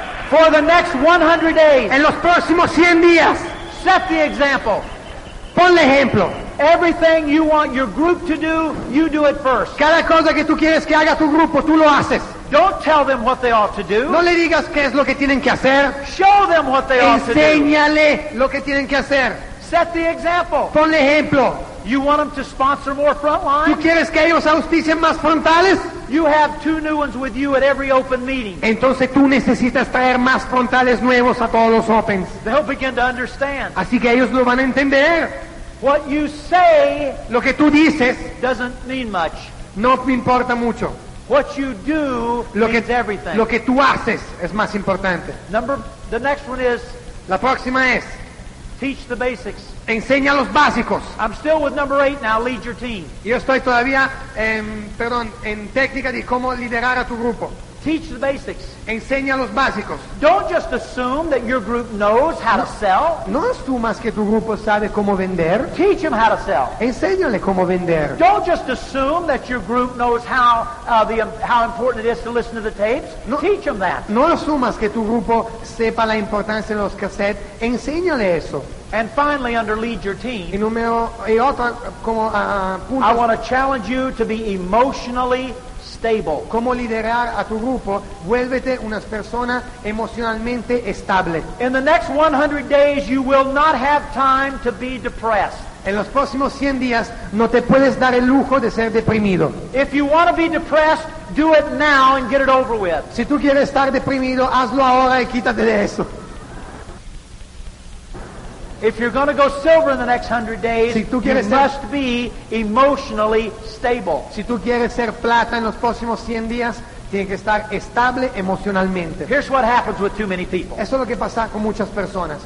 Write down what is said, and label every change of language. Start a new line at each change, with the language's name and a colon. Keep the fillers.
English: For the next 100 days.
Spanish: En los próximos 100 días.
English: Set the example.
Spanish: Ponle ejemplo.
English: Everything you want your group to do, you do it first.
Spanish: Cada cosa que tú quieres que haga tu grupo, tú lo haces.
English: Don't tell them what they ought to do.
Spanish: No le digas qué es lo que tienen que hacer.
English: Show them what they ought to do.
Spanish: Enséñale lo que tienen que hacer.
English: Set the example.
Spanish: Pon ejemplo.
English: You want them to sponsor more front lines?
Spanish: ¿Tú quieres que ellos auspicien más frontales?
English: You have two new ones with you at every open meeting.
Spanish: Entonces tú necesitas traer más frontales nuevos a todos los opens.
English: They'll begin to understand.
Spanish: Así que ellos lo van a entender.
English: What you say
Spanish: lo que tú dices
English: doesn't mean much.
Spanish: No me importa mucho.
English: What you do
Spanish: lo que, means que, everything. Lo que tú haces es más importante.
English: Number the next one is
Spanish: La próxima es
English: teach the basics.
Spanish: Enseña los básicos.
English: I'm still with number 8 now lead your team.
Spanish: Yo estoy todavía en um, perdón, en técnica de cómo liderar a tu grupo.
English: Teach the basics.
Spanish: Enseña los básicos.
English: Don't just assume that your group knows how no, to sell.
Spanish: No asumas que tu grupo sabe cómo vender.
English: Teach them how to sell. Enséñale cómo vender. Don't just assume that your group knows how uh, the um, how important it is to listen to the tapes. No, Teach them that.
Spanish: No asumas que tu grupo sepa la importancia de los cassettes. Enséñale eso.
English: And finally, underlead your team.
Spanish: Y número, y otro, como,
English: uh, I want to challenge you to be emotionally stable.
Spanish: Cómo liderar a tu grupo, vuélvete una persona emocionalmente estable. En los próximos 100 días no te puedes dar el lujo de ser deprimido.
English: If you want to be depressed, do it now and get it over with.
Spanish: Si tú quieres estar deprimido, hazlo ahora y quítate de eso.
English: If you're going to go silver in the next 100 days, si you must be emotionally stable.
Spanish: Si tú quieres ser plata en los próximos 100 días, tiene que estar estable emocionalmente.
English: Here's what happens with too many people.
Spanish: Eso es lo que pasa con muchas personas.